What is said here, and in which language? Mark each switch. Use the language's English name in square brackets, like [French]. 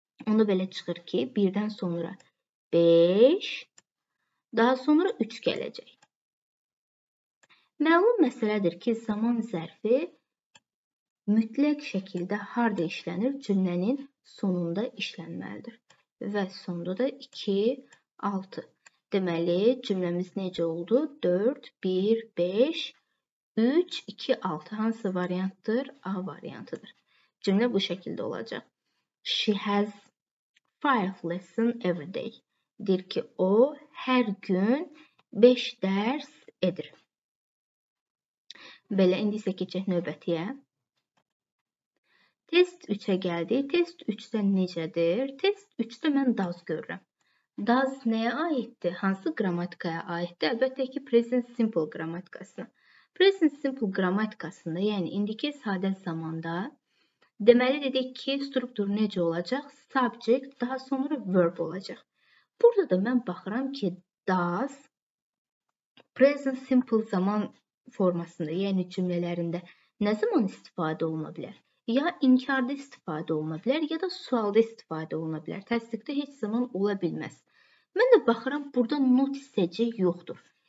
[Azerbaijani] Onu belə çıxır ki, birdən sonra beş, daha sonra üç gələcək. Məlum məsələdir ki, zaman zərfi mütləq şəkildə harda işlənir, cümlənin sonunda işlənməlidir. Ve sonda da 2, 6. Demeli cümlemiz necə oldu? 4, 1, 5, 3, 2, 6. Hansı variantdır? A variantıdır. Cümle bu şəkildə olacaq. [English] She has 5 lessons every day. [Azerbaijani] Deyir ki, o hər gün 5 dərs edir. Belə, indi isə keçək növbətiyə. Test 3-ə gəldi. Test 3-də necədir? Test 3-də mən does görürəm. Does nəyə aiddir? Hansı qrammatikaya aiddir? Əlbəttə ki, present simple qrammatikasına. Present simple qrammatikasında, yəni indiki sadə zamanda, deməli dedik ki, struktur necə olacaq? Subject, daha sonra verb olacaq. Burada da mən baxıram ki, does present simple zaman formasında, yəni cümlələrində nə zaman istifadə oluna bilər? Ya inkarda istifadə oluna bilər, ya da sualda istifadə oluna bilər. Təsdiqdə heç zaman ola bilməz. Mən də baxıram, burada not hissəci yoxdur.